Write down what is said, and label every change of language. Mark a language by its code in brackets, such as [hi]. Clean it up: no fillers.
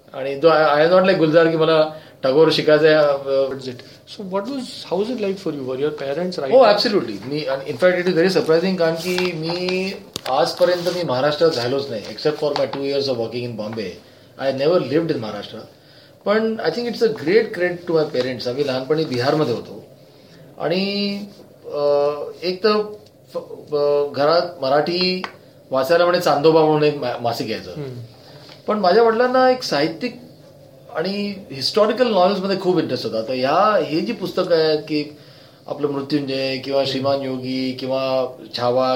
[mr] आणि [en] I am not like [mr] Gulzar की मला टागोर शिकायचं आहे. [en] So what was, how is it like for you, were your parents right? Oh absolutely. मी in fact it is very surprising, [mr] कारण की मी आजपर्यंत मी महाराष्ट्रात राहिलोच नाही [en] Except for my 2 years of working in Bombay. I never lived in Maharashtra. But I think it's a great credit to my parents. [mr] आम्ही लहानपणी बिहारमध्ये होतो आणि एक तर घरात मराठी वाचायला म्हणजे चांदोबा म्हणून एक मासिक यायचं. पण माझ्या वडिलांना एक साहित्यिक आणि हिस्टॉरिकल नॉलेजमध्ये खूप इंटरेस्ट होता. तर ह्या हे जी पुस्तकं आहेत की आपलं मृत्युंजय किंवा श्रीमान योगी किंवा छावा